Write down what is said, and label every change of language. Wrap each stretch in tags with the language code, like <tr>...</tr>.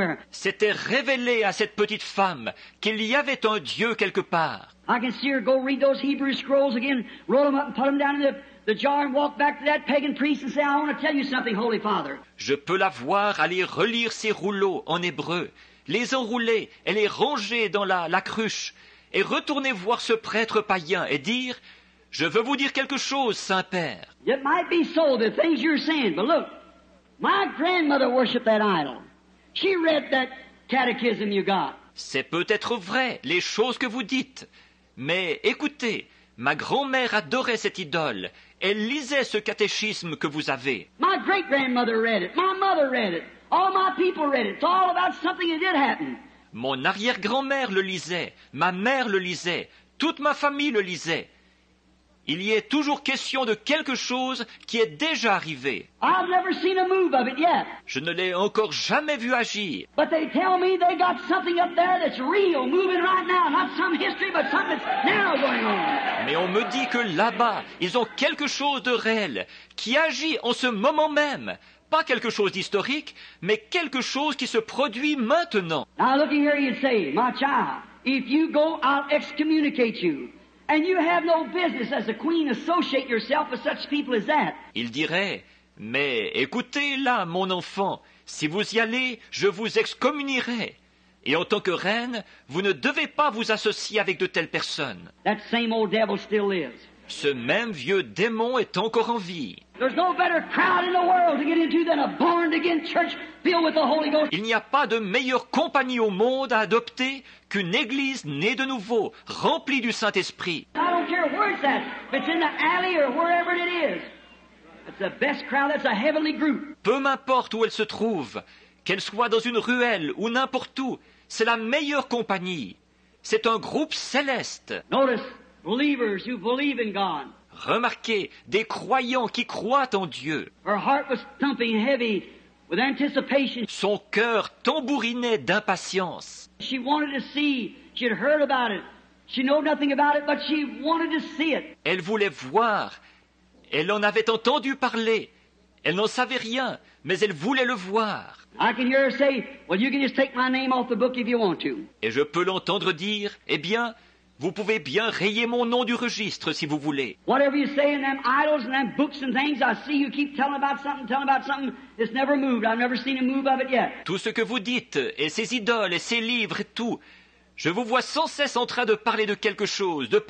<fr>C'était révélé à cette petite femme qu'il y avait un Dieu quelque part.</fr> <en>I can see her go read those Hebrew scrolls again, roll them up and put them down in the jar and walk back to that pagan priest and say, I want to tell you something, Holy Father.</en> <fr>Je peux la voir aller relire ces rouleaux en hébreu, les enrouler et les ranger dans la cruche et retourner voir ce prêtre païen et dire, je veux vous dire quelque chose, Saint-Père.</fr> <en>It might be so, the things you're saying, but look, my grandmother worshipped that idol. She read that catechism you got.</en> <fr>C'est peut-être vrai, les choses que vous dites, mais écoutez, ma grand-mère adorait cette idole. Elle lisait ce catéchisme que vous avez.</fr> <en>My great-grandmother read it. My mother read it. All my people read it. It's all about something that did happen.</en> <fr>Mon arrière-grand-mère le lisait. Ma mère le lisait. Toute ma famille le lisait. Il y est toujours question de quelque chose qui est déjà arrivé.</fr> <en>I've never seen a move of it yet.</en> <fr>Je ne l'ai encore jamais vu agir.</fr> <en>But they tell me they got something up there that's real, moving right now. Not some history, but something that's now going on.</en> <fr>Mais on me dit que là-bas, ils ont quelque chose de réel, qui agit en ce moment même. Pas quelque chose d'historique, mais quelque chose qui se produit maintenant.</fr> <en>Now looking here, you'd say, my child. If you go, I'll excommunicate you. And you have no business as a queen associate yourself with such people as that.</en> <fr>Il dirait, mais écoutez là, mon enfant, si vous y allez, je vous excommunierai. Et en tant que reine, vous ne devez pas vous associer avec de telles personnes.</fr> <en>That same old devil still lives.</en> <fr>Ce même vieux démon est encore en vie.</fr> <en>There's no better crowd in the world to get into than a born-again church filled with the Holy Ghost.</en> <fr>Il n'y a pas de meilleure compagnie au monde à adopter qu'une église née de nouveau, remplie du Saint-Esprit.</fr> <en>I don't care where it's at, if it's in the alley or wherever it is. It's the best crowd, it's a heavenly group.</en> <fr>Peu m'importe où elle se trouve, qu'elle soit dans une ruelle ou n'importe où, c'est la meilleure compagnie. C'est un groupe céleste.</fr> <en>Notice, believers who believe in God.</en> <fr>Remarquez, des croyants qui croient en Dieu.</fr> <en>Her heart was thumping heavy with anticipation.</en> <fr>Son cœur tambourinait d'impatience.</fr> <en>She wanted to see, she had heard about it. She knew nothing about it, but she wanted to see it.</en> <fr>Elle voulait voir. Elle en avait entendu parler. Elle n'en savait rien, mais elle voulait le voir.</fr> <en>I can hear her say, well, you can just take my name off the book if you want to.</en> <fr>Et je peux l'entendre dire, eh bien, vous pouvez bien rayer mon nom du registre si vous voulez.</fr> <en>Whatever you say in them idols and them books and things, I see you keep telling about something, it's never moved. I've never seen a move of it yet.</en> <fr>Tout ce que vous dites, et ces idoles, et ces livres, et tout, je vous vois sans cesse en train de parler de quelque chose.</fr>